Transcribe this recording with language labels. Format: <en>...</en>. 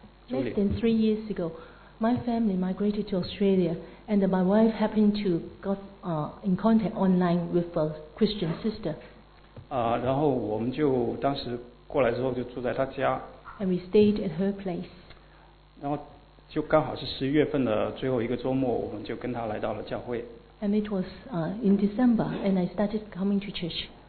<en>Less than 3 years ago, my family migrated to Australia, and my wife happened to got in contact online with a Christian sister.</en> <zh>然后我们就当时过来之后就住在她家。</zh> <en>And we stayed at her place.</en> <zh>然后就刚好是十一月份的最后一个周末，我们就跟她来到了教会。</zh> <en>And it was in December, and I started coming to church.</en>